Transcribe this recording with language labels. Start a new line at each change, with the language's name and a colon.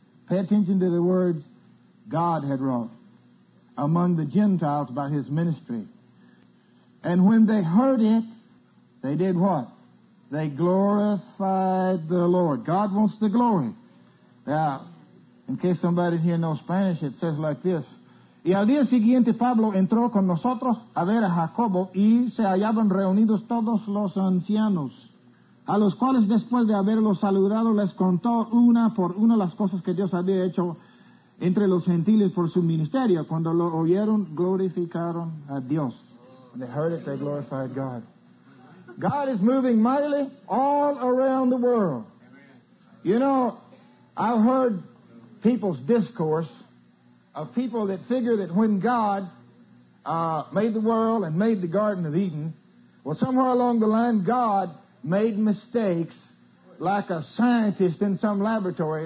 English: Pay attention to the words God had wrought among the Gentiles by his ministry. And when they heard it, they did what? They glorified the Lord. God wants the glory. Now, in case somebody here knows Spanish, it says like this.
Spanish: Y al día siguiente Pablo entró con nosotros a ver a Jacobo y se hallaban reunidos todos los ancianos, a los cuales después de haberlos saludado les contó una por una las cosas que Dios había hecho entre los gentiles por su ministerio. Cuando lo oyeron, glorificaron a Dios.
English: When they heard it, they glorified God. God is moving mightily all around the world. You know, I've heard people's discourse of people that figure that when God made the world and made the Garden of Eden, well, somewhere along the line, God made mistakes like a scientist in some laboratory.